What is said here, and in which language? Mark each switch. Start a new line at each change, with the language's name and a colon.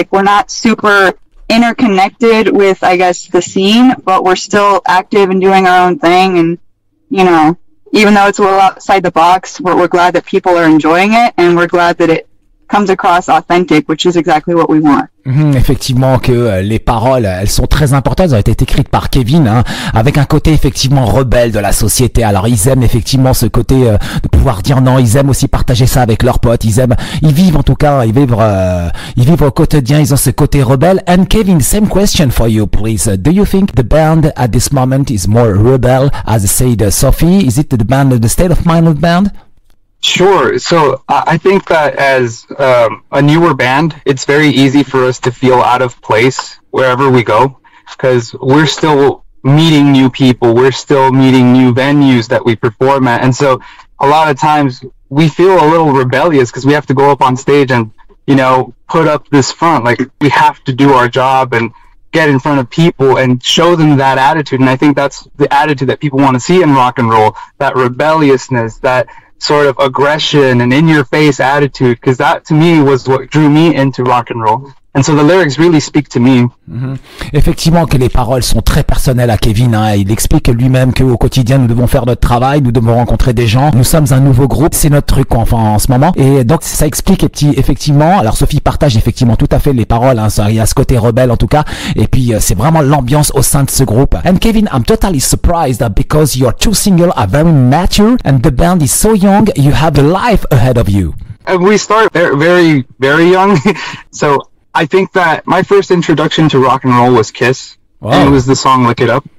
English: Like, we're not super interconnected with, I guess, the scene, but we're still active and doing our own thing. And, you know, even though it's a little outside the box, we're glad that people are enjoying it, and we're glad that it comes across authentic, which is exactly what we want.
French: Effectivement que les paroles, elles sont très importantes. Elles ont été écrites par Kevin, hein, avec un côté effectivement rebelle de la société. Alors ils aiment effectivement ce côté de pouvoir dire non. Ils aiment aussi partager ça avec leurs potes. Ils vivent au quotidien. Ils ont ce côté rebelle.
English: And Kevin, same question for you, please. Do you think the band at this moment is more rebel, as said Sophie? Is it the band, the state of mind of the band? Sure. So I think that as a newer band, it's very easy for us to feel out of place wherever we go, because we're still meeting new people. We're still meeting new venues that we perform at. And so a lot of times we feel a little rebellious because we have to go up on stage and, you know, put up this front. Like, we have to do our job and get in front of people and show them that attitude. And I think that's the attitude that people want to see in rock and roll, that rebelliousness, that sort of aggression and in your face attitude, because that to me was what drew me into rock and roll. And so the lyrics really speak to me.
French: Effectivement que les paroles sont très personnelles à Kevin, hein. Il explique lui-même qu'au quotidien nous devons faire notre travail, nous devons rencontrer des gens, nous sommes un nouveau groupe, c'est notre truc, enfin, en ce moment. Et donc ça explique effectivement. Alors Sophie partage effectivement tout à fait les paroles, hein. Il y a ce côté rebelle en tout cas, et puis c'est vraiment l'ambiance au sein de ce groupe.
English: And Kevin, I'm totally surprised that because your two singles are very mature and the band is so young, you have a life ahead of you. And we start very, very young. So I think that my first introduction to rock and roll was Kiss. Wow. And it was the song Lick It Up.